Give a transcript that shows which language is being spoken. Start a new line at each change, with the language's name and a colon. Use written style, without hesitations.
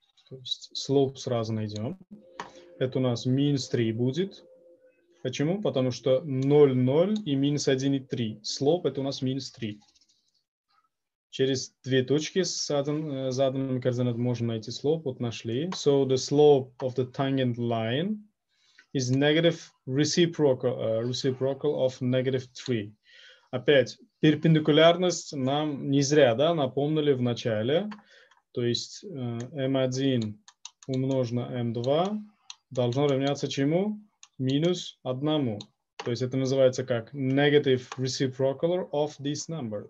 Russian: То есть slope сразу найдем. Это у нас минус 3 будет. Почему? Потому что 0, 0 и минус 1 и 3. Slope это у нас минус 3. Через две точки с заданными координатами можем найти slope. Вот нашли.
English: So the slope of the tangent line is negative reciprocal, reciprocal of negative 3.
Russian: Опять, перпендикулярность нам не зря, да, напомнили в начале. То есть m1 умножено m2 должно равняться чему? Минус 1. То есть это называется как
English: negative reciprocal of this number.